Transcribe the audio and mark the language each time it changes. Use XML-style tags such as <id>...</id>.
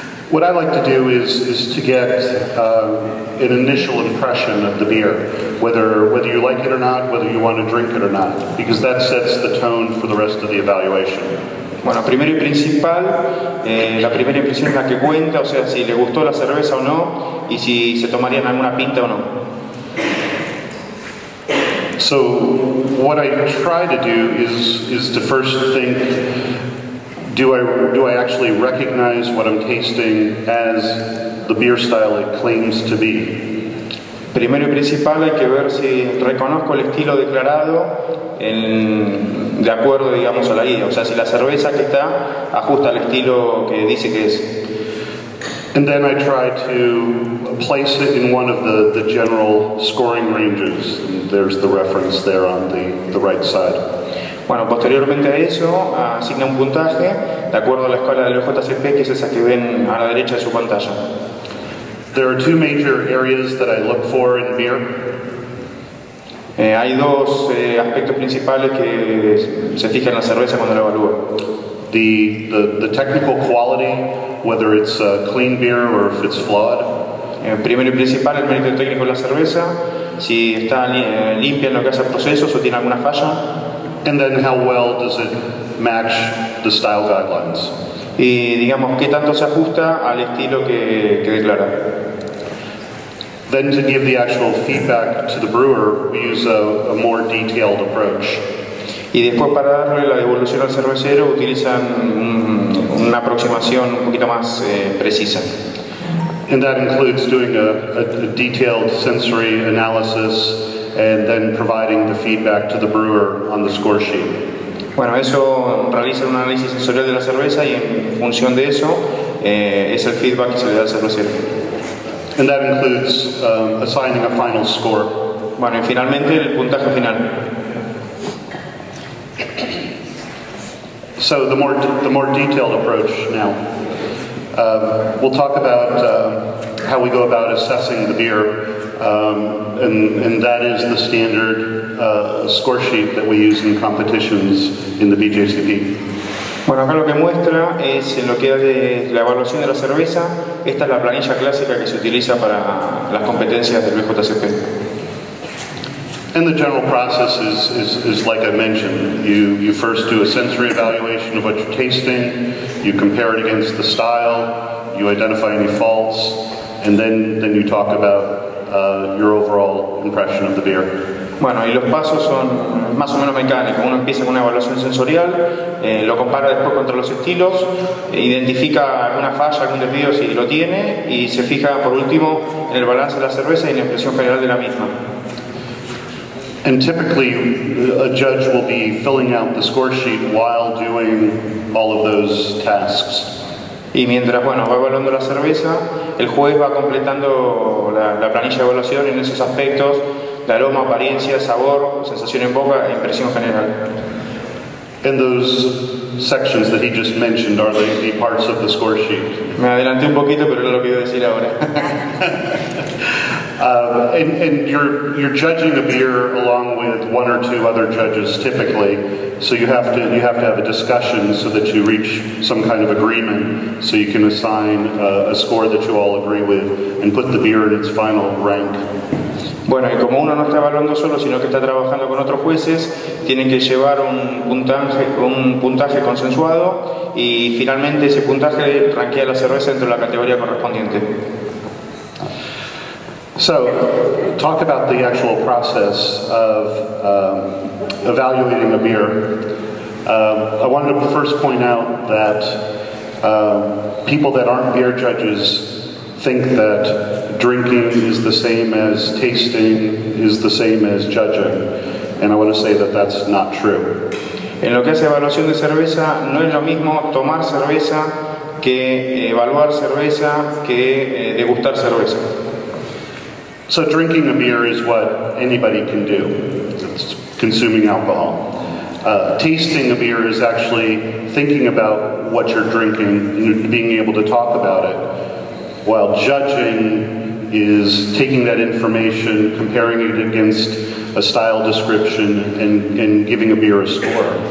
<en>What I like to do is to get an initial impression of the beer, whether you like it or not, whether you want to drink it or not, because that sets the tone for the rest of the evaluation.</en> <es>Bueno, primero y principal, la primera impresión es la que cuenta, o sea, si le gustó la cerveza o no, y si se tomarían alguna pinta o no.</es> <en>So, what I try to do is to first think, do I actually recognize what I'm tasting as the beer style it claims to be?</en> <es>Primero y principal hay que ver si reconozco el estilo declarado en, de acuerdo, digamos, a la guía. O sea, si la cerveza que está ajusta al estilo que dice que es.</es> <en>And then I try to place it in one of the general scoring ranges. And there's the reference there on the right side.</en> <es>Bueno, posteriormente a eso, asigna un puntaje de acuerdo a la escala del BJCP, que es esa que ven a la derecha de su pantalla.</es> <en>There are two major areas that I look for in beer.</en> <es>Hay dos aspectos principales que se fijan en la cerveza cuando la evalúa.</es> <en>The technical quality, whether it's a clean beer or if it's flawed.</en> <es>Primero y principal, el mérito técnico de la cerveza, si está limpia en lo que hace el proceso o tiene alguna falla.</es> <en>And then how well does it match the style guidelines.</en> <es>Y digamos, ¿qué tanto se ajusta al estilo que declara?</es> <en>Then to give the actual feedback to the brewer, we use a more detailed approach.</en> <es>Y después para darle la devolución al cervecero, utilizan una aproximación un poquito más precisa.</es> <en>And that includes doing a detailed sensory analysis and then providing the feedback to the brewer on the score sheet.</en> <es>Bueno, eso realiza un análisis sensorial de la cerveza y en función de eso es el feedback que se le da al cervecero.</es> <en>And that includes assigning a final score.</en> <es>Bueno, y finalmente el puntaje final.</es> <en>So the more detailed approach now. We'll talk about how we go about assessing the beer, and that is the standard score sheet that we use in competitions in the BJCP.</en> <es>Bueno, acá lo que muestra es en lo que es de la evaluación de la cerveza. Esta es la planilla clásica que se utiliza para las competencias del BJCP.</es> <en>And the general process is like I mentioned. You first do a sensory evaluation of what you're tasting. You compare it against the style. You identify any faults, and then you talk about your overall impression of the beer.</en> <es>Bueno, y los pasos son más o menos mecánicos. Uno empieza con una evaluación sensorial, lo compara después contra los estilos, identifica alguna falla, algún desvío si lo tiene, y se fija por último en el balance de la cerveza y en la impresión general de la misma.</es> <en>And typically, a judge will be filling out the score sheet while doing all of those tasks.</en> <es>Y mientras, bueno, va evaluando la cerveza, el juez va completando la planilla de evaluación en esos aspectos de aroma, apariencia, sabor, sensación en boca, impresión general.</es> <en>And those sections that he just mentioned are the parts of the score sheet.</en> <es>Me adelanté un poquito, pero es lo que iba a decir ahora.</es> <en>And you're judging a beer along with one or two other judges typically, so you have to have a discussion so that you reach some kind of agreement, so you can assign a score that you all agree with and put the beer in its final rank.</en> <es>Bueno, y como uno no está evaluando solo, sino que está trabajando con otros jueces, tienen que llevar un puntaje consensuado y finalmente ese puntaje rankea la cerveza dentro de la categoría correspondiente.</es> <en>So, talk about the actual process of evaluating a beer. I wanted to first point out that people that aren't beer judges think that drinking is the same as tasting, is the same as judging, and I want to say that that's not true.</en> <es>En lo que hace evaluación de cerveza, no es lo mismo tomar cerveza que evaluar cerveza que degustar cerveza.</es> <en>So drinking a beer is what anybody can do. It's consuming alcohol. Tasting a beer is actually thinking about what you're drinking and being able to talk about it. While judging is taking that information, comparing it against a style description, and giving a beer a score.</en>